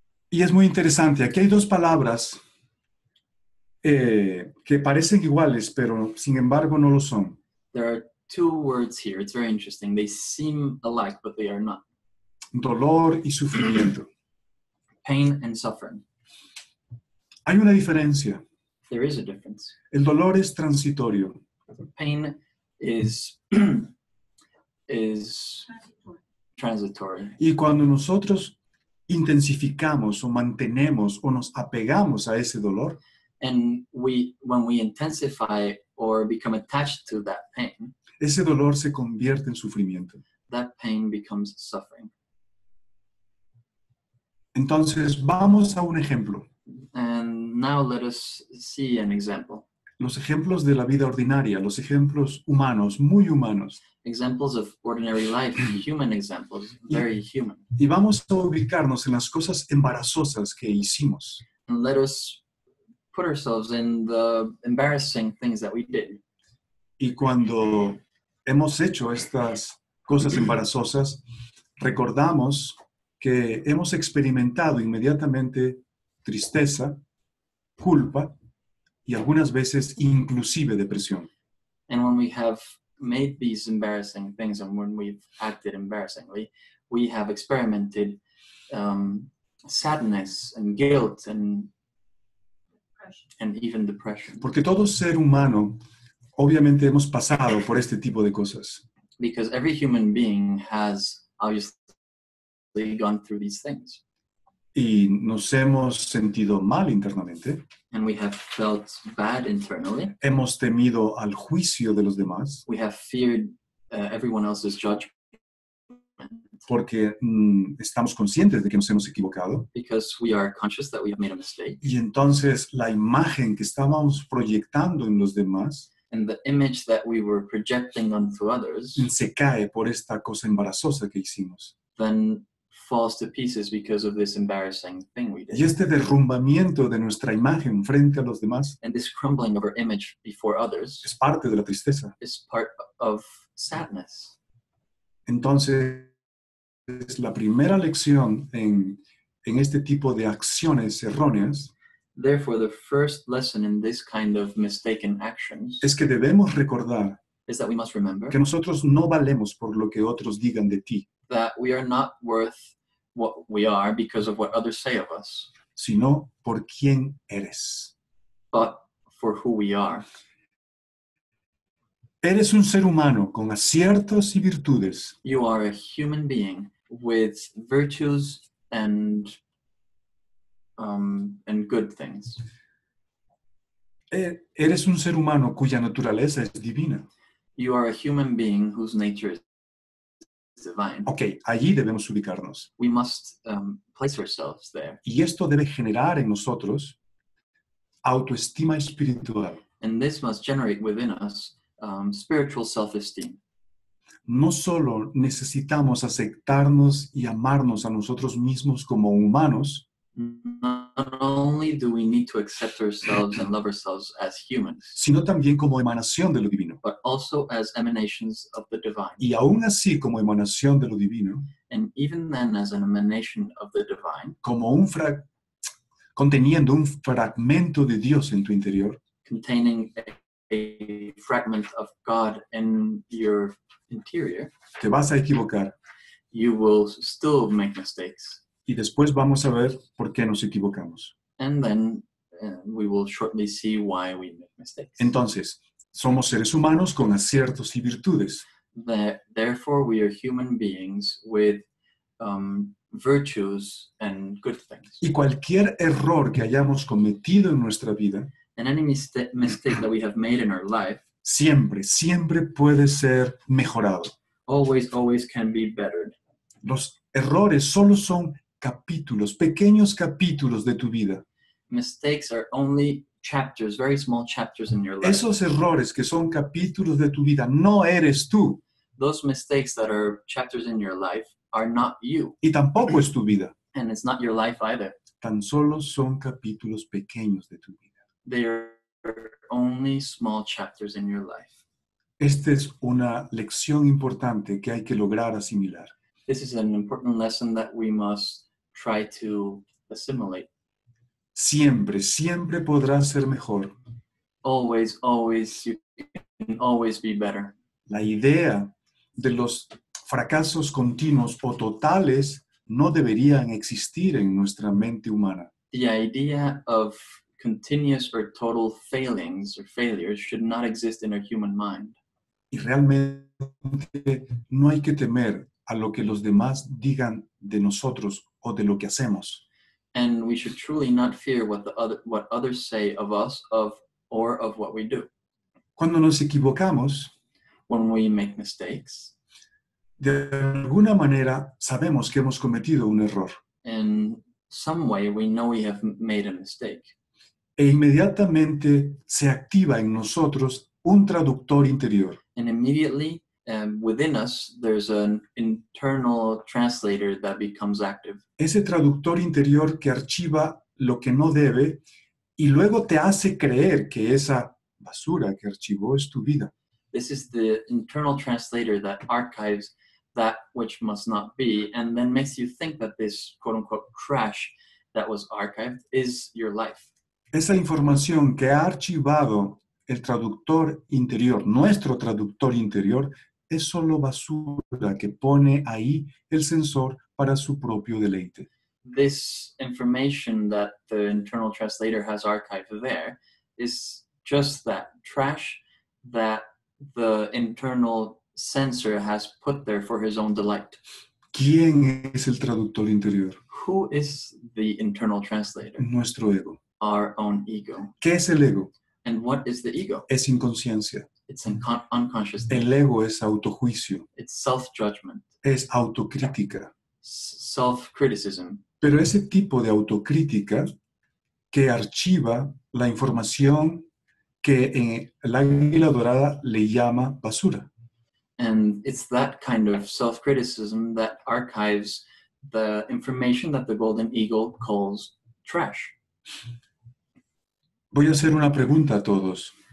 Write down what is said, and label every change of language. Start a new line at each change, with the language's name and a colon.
Spanish: Y es muy interesante, aquí hay dos palabras que parecen iguales, pero sin embargo no lo son.
English: There are two words here, it's very interesting. They seem alike, but they are not.
Spanish: Dolor y sufrimiento.
English: Pain and suffering.
Spanish: Hay una diferencia.
English: There is a difference.
Spanish: El dolor es transitorio.
English: Pain is is transitory.
Spanish: Y cuando nosotros intensificamos o mantenemos o nos apegamos a ese dolor.
English: And when we intensify or become attached to that pain,
Spanish: ese dolor se convierte en sufrimiento.
English: That pain becomes suffering.
Spanish: Entonces, vamos a un ejemplo.
English: And Now let us see an example.
Spanish: Los ejemplos de la vida ordinaria, los ejemplos humanos, muy humanos.
English: Examples of ordinary life, human examples, very human.
Spanish: Y vamos a ubicarnos en las cosas embarazosas que hicimos.
English: And let us put ourselves in the embarrassing things that we did.
Spanish: Y cuando hemos hecho estas cosas embarazosas, recordamos que hemos experimentado inmediatamente tristeza, culpa, y algunas veces inclusive depresión.
English: And when we have made these embarrassing things and when we've acted embarrassingly, we have experimented sadness and guilt and even depression.
Spanish: Porque todo ser humano, obviamente, hemos pasado por este tipo de cosas.
English: Because every human being has obviously gone through these things.
Spanish: Y nos hemos sentido mal internamente.
English: And we have felt bad internally.
Spanish: Hemos temido al juicio de los demás.
English: We have feared everyone else's judgment.
Spanish: Porque estamos conscientes de que nos hemos equivocado.
English: Because we are conscious that we have made a mistake.
Spanish: Y entonces la imagen que estábamos proyectando en los demás.
English: And the image that we were projecting onto others.
Spanish: Se cae por esta cosa embarazosa que hicimos.
English: Then falls to pieces because of this embarrassing thing we did.
Spanish: Y este derrumbamiento de nuestra imagen frente a los demás.
English: And this crumbling of our image before others.
Spanish: Es parte de la tristeza.
English: Is part of sadness.
Spanish: Entonces, la primera lección en este tipo de acciones erróneas.
English: Therefore, the first lesson in this kind of mistaken actions.
Spanish: Es que debemos recordar.
English: Is that we must remember.
Spanish: Que nosotros no valemos por lo que otros digan de ti.
English: That we are not worth what we are because of what others say of us.
Spanish: Sino por quién eres.
English: But for who we are.
Spanish: Eres un ser humano con aciertos y virtudes.
English: You are a human being with virtues and good things.
Spanish: Eres un ser humano cuya naturaleza es divina.
English: You are a human being whose nature is divine.
Spanish: Okay, allí debemos ubicarnos.
English: We must place ourselves there.
Spanish: Y esto debe generar en nosotros autoestima espiritual.
English: And this must generate within us spiritual self-esteem.
Spanish: No solo necesitamos aceptarnos y amarnos a nosotros mismos como humanos.
English: Not only do we need to accept ourselves and love ourselves as humans,
Spanish: sino también como emanación de lo divino,
English: but also as emanations of the divine.
Spanish: Y aún así como emanación de lo divino,
English: and even then as an emanation of the divine,
Spanish: como un conteniendo un fragmento de Dios en tu interior,
English: containing a fragment of God in your interior,
Spanish: te vas a equivocar.
English: You will still make mistakes.
Spanish: Y después vamos a ver por qué nos equivocamos.
English: And then we will shortly see why we make mistakes.
Spanish: Entonces, somos seres humanos con aciertos y virtudes.
English: Therefore, we are human beings with virtues and good things.
Spanish: Y cualquier error que hayamos cometido en nuestra vida.
English: And any mistake that we have made in our life.
Spanish: Siempre, siempre puede ser mejorado.
English: Always, always can be bettered.
Spanish: Los errores solo son capítulos, pequeños capítulos de tu vida.
English: Mistakes are only chapters, very small chapters in your life.
Spanish: Esos errores que son capítulos de tu vida no eres tú.
English: Those mistakes that are chapters in your life are not you.
Spanish: Y tampoco es tu vida.
English: And it's not your life either.
Spanish: Tan solo son capítulos pequeños de tu vida.
English: They are only small chapters in your life.
Spanish: Esta es una lección importante que hay que lograr asimilar.
English: This is an important lesson that we must try to assimilate.
Spanish: Siempre, siempre podrás ser mejor.
English: Always, always, you can always be better.
Spanish: La idea de los fracasos continuos o totales no deberían existir en nuestra mente humana.
English: The idea of continuous or total failings or failures should not exist in our human mind.
Spanish: Y realmente no hay que temer a lo que los demás digan de nosotros o de lo que hacemos.
English: And we should truly not fear what others say of us or of what we do.
Spanish: Cuando nos equivocamos,
English: when we make mistakes,
Spanish: de alguna manera sabemos que hemos cometido un error.
English: In some way we know we have made a mistake.
Spanish: e inmediatamente se activa en nosotros un traductor interior.
English: And immediately, within us, there's an internal translator that becomes active.
Spanish: Ese traductor interior que archiva lo que no debe y luego te hace creer que esa basura que archivó es tu vida.
English: This is the internal translator that archives that which must not be and then makes you think that this quote-unquote trash that was archived is your life.
Spanish: Esa información que ha archivado el traductor interior, nuestro traductor interior, es solo basura que pone ahí el sensor para su propio deleite.
English: This information that the internal translator has archived there is just that trash that the internal sensor has put there for his own delight.
Spanish: ¿Quién es el traductor interior?
English: Who is the internal translator?
Spanish: Nuestro ego.
English: Our own ego.
Spanish: ¿Qué es el ego?
English: And what is the ego?
Spanish: Es inconsciencia.
English: It's an unconscious thing.
Spanish: El ego es autojuicio.
English: It's self-judgment.
Spanish: Es autocrítica.
English: Self-criticism.
Spanish: Pero ese tipo de autocrítica que archiva la información que en el águila dorada le llama basura.
English: And it's that kind of self-criticism that archives the information that the golden eagle calls trash.
Spanish: Voy a hacer una pregunta a todos.